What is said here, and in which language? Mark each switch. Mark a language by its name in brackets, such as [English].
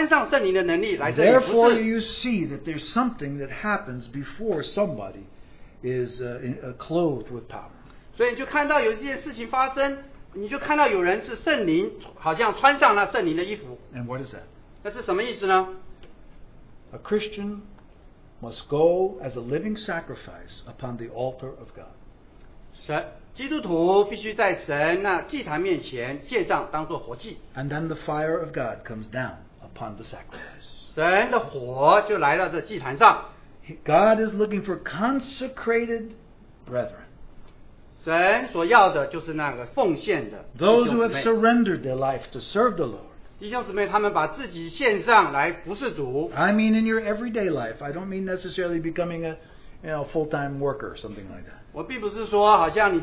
[English] Therefore, you see that there's something that happens before somebody is clothed with power. [Chinese] 所以你就看到有这件事情发生。你就看到有人是圣灵，好像穿上那圣灵的衣服。 [English] And what is that? [Chinese] 那是什么意思呢？ [English] A Christian must go as a living sacrifice upon the altar of God. [Chinese] 基督徒必须在神那祭坛面前献上，当作活祭。 [English] And then the fire of God comes down upon the sacrifice. [Chinese] 神的火就来到这祭坛上。 [English] God is looking for consecrated brethren. Those who have surrendered their life to serve the Lord. In your everyday life, I don't mean necessarily becoming a full-time worker or something like that.